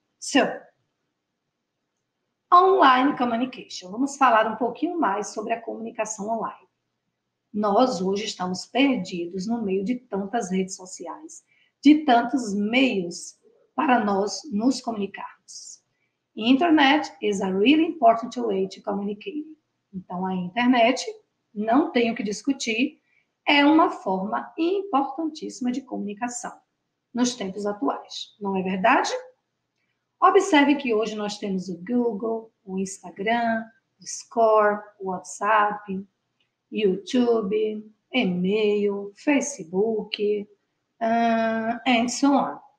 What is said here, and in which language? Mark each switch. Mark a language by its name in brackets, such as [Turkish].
[English] So, online communication. [Portuguese] Vamos falar um pouquinho mais sobre a comunicação online. Nós hoje estamos perdidos no meio de tantas redes sociais, de tantos meios para nós nos comunicarmos. [English] Internet is a really important way to communicate. [Portuguese] Então, a internet, não tenho que discutir, é uma forma importantíssima de comunicação nos tempos atuais, não é verdade? Observe que hoje nós temos o Google, o Instagram, Discord, WhatsApp, YouTube, e-mail, Facebook, [English] and so on.